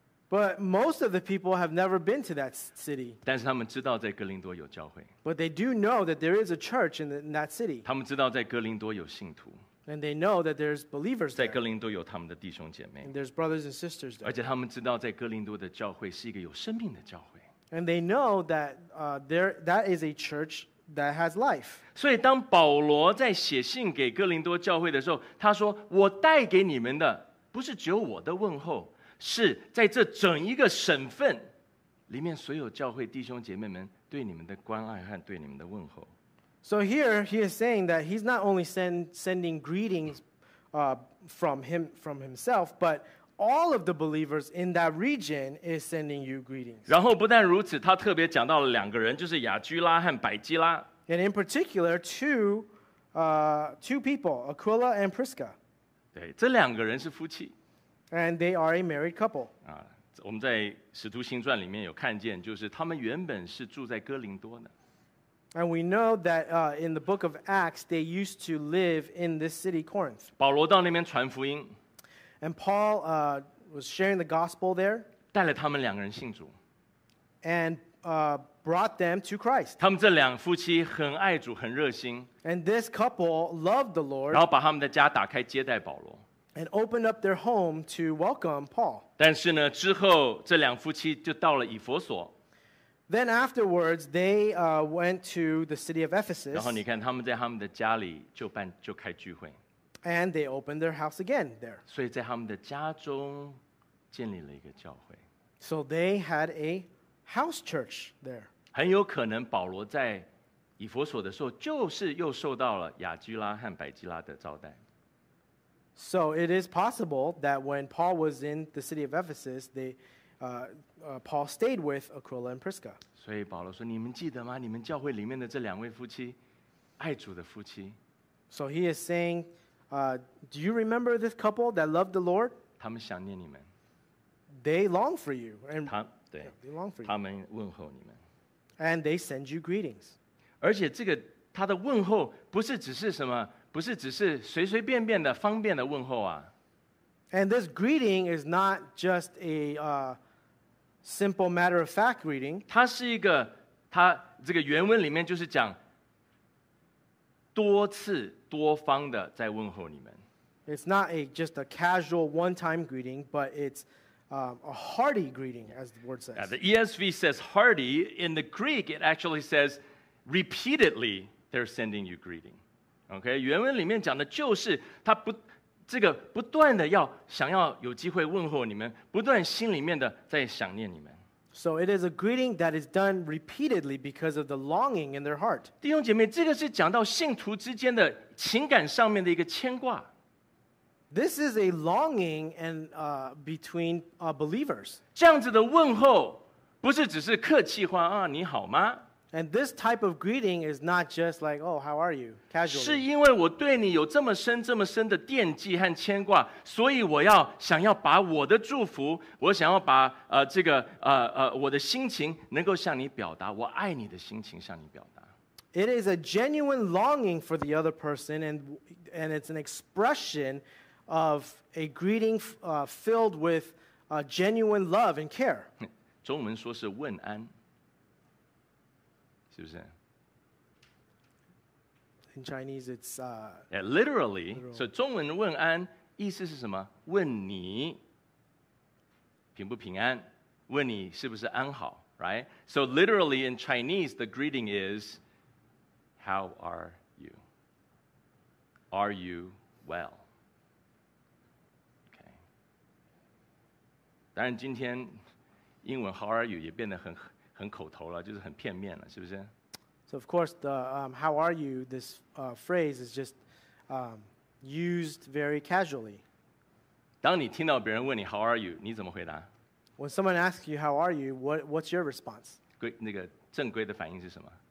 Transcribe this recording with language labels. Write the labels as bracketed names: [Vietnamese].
[English] But most of the people have never been to that city. But they do know that there is a church in that city. And they know that there's believers there. And there's brothers and sisters there. And they know that that is a church that has life. [Chinese] 所以当保罗在写信给哥林多教会的时候，他说：“我带给你们的不是只有我的问候，是在这整一个省份里面所有教会弟兄姐妹们对你们的关爱和对你们的问候。” [English] So here he is saying that he's not only sending greetings from himself, but all of the believers in that region is sending you greetings. [Chinese] 然后不但如此，他特别讲到了两个人，就是亚居拉和百基拉。 [English] And in particular, two people, Aquila and Prisca. [Chinese] 对，这两个人是夫妻。 [English] And they are a married couple. [Chinese] 我们在《使徒行传》里面有看见，就是他们原本是住在哥林多的。 [English] And we know that in the book of Acts, they used to live in this city, Corinth. [Chinese] 保罗到那边传福音。 [English] And Paul was sharing the gospel there. [Chinese] 带了他们两个人信主。 [English] And brought them to Christ. [Chinese] 他们这两夫妻很爱主，很热心。 [English] And this couple loved the Lord. [Chinese] 然后把他们的家打开接待保罗。 [English] And opened up their home to welcome Paul. [Chinese] 但是呢，之后这两夫妻就到了以弗所。 [English] Then afterwards, they went to the city of Ephesus. [Chinese] 然后你看，他们在他们的家里就办就开聚会。 [English] And they opened their house again there. [Chinese] 所以在他们的家中建立了一个教会。 [English] So they had a house church there. [Chinese] 很有可能保罗在以弗所的时候，就是又受到了亚居拉和百基拉的招待。 [English] So it is possible that when Paul was in the city of Ephesus, Paul stayed with Aquila and Prisca. [Chinese] 所以保罗说，你们记得吗？你们教会里面的这两位夫妻，爱主的夫妻。 [English] So he is saying, do you remember this couple that loved the Lord? [Chinese] 他们想念你们。 [English] They long for you. And, 他, 对, yeah, they long for you. [Chinese] 他们问候你们。 [English] And they send you greetings. [Chinese] 而且这个他的问候不是只是什么，不是只是随随便便的方便的问候啊。 [English] And this greeting is not just a simple matter of fact greeting. [Chinese] 它是一个，它这个原文里面就是讲多次多方的在问候你们。 [English] It's not a just a casual one-time greeting, but it's a hearty greeting, as the word says. Yeah, the ESV says hearty. In the Greek, it actually says repeatedly they're sending you greeting. [Chinese] Okay, 原文里面讲的就是他不。这个不断的要想要有机会问候你们，不断心里面的在想念你们。 [English] So it is a greeting that is done repeatedly because of the longing in their heart. [Chinese] 弟兄姐妹，这个是讲到信徒之间的情感上面的一个牵挂。 [English] This is a longing and between believers. [Chinese] 这样子的问候不是只是客气话啊，你好吗？ [English] And this type of greeting is not just like, oh, how are you? Casually. [Chinese] 是因为我对你有这么深的惦记和牵挂，所以我要想要把我的祝福，我想要把我的心情能够向你表达，我爱你的心情向你表达。 [English] It is a genuine longing for the other person, and it's an expression of a greeting filled with genuine love and care. [Chinese] 中文说是问安。是不是 [English] In Chinese, it's literally. [Chinese] So, 中文问安意思是什么？问你平不平安，问你是不是安好 ，right? [English] So, literally in Chinese, the greeting is, "How are you? Are you well?" Okay. [Chinese] 当然，今天英文 [English] "How are you" [Chinese] 也变得很口头了，就是很片面了，是不是？ [English] So of course, the "How are you?" this phrase is just used very casually. [Chinese] 当你听到别人问你 [English] "How are you?" [Chinese] 你怎么回答 [English] ？When someone asks you "How are you?", what's your response? [Chinese] 那个正规的反应是什么